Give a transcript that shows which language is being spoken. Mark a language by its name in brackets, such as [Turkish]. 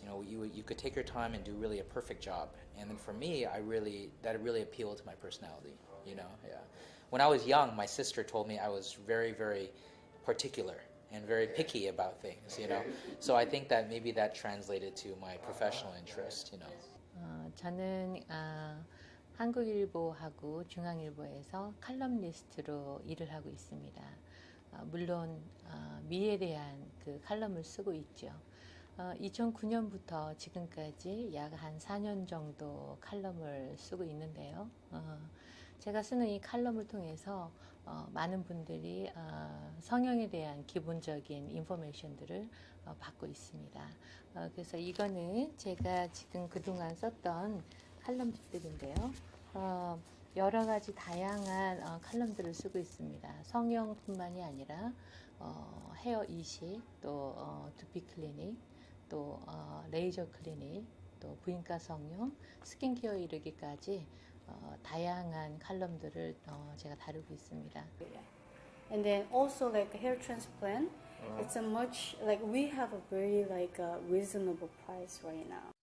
[English] You know, you could take your time and do really a perfect job. And then for me, that really appealed to my personality, you know, yeah. When I was young, my sister told me I was very, very particular and very picky about things, you know. So I think that maybe that translated to my professional interest, you know. [Korean] 저는 한국일보하고 중앙일보에서 칼럼니스트로 일을 하고 있습니다. 물론 미에 대한 그 칼럼을 쓰고 있죠. 2009년부터 지금까지 약 한 4년 정도 칼럼을 쓰고 있는데요. 제가 쓰는 이 칼럼을 통해서 많은 분들이 성형에 대한 기본적인 인포메이션들을 받고 있습니다. 그래서 이거는 제가 지금 그동안 썼던 칼럼집들인데요. 여러 가지 다양한 칼럼들을 쓰고 있습니다. 성형뿐만이 아니라 헤어 이식, 또 두피 클리닉, 또 레이저 클리닉, 또 부인과 성형, 스킨케어 이르기까지 다양한 칼럼들을 제가 다루고 있습니다. [English] And then also like hair transplant, it's a much like we have a very like a reasonable price right now.